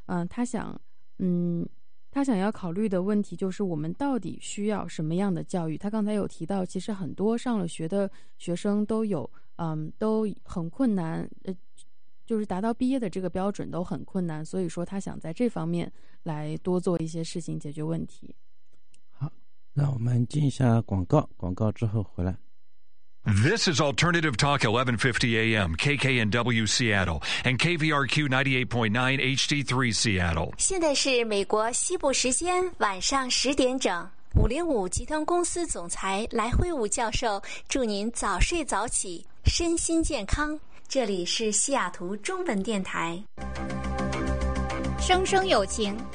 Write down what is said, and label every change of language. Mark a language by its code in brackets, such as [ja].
[zh] 他想要考虑的问题就是我们到底需要什么样的教育。他刚才有提到，其实很多上了学的学生都有都很困难，就是达到毕业的这个标准都很困难，所以说他想在这方面来多做一些事情解决问题。好，那我们进一下广告，广告之后回来。 [en] This is Alternative Talk 1150 AM, KKNW Seattle, and KVRQ 98.9 HD3 Seattle. [zh] 现在是美国西部时间晚上10点整。 505集团公司总裁来辉武教授祝您早睡早起，身心健康。这里是西雅图中文电台。声声有情。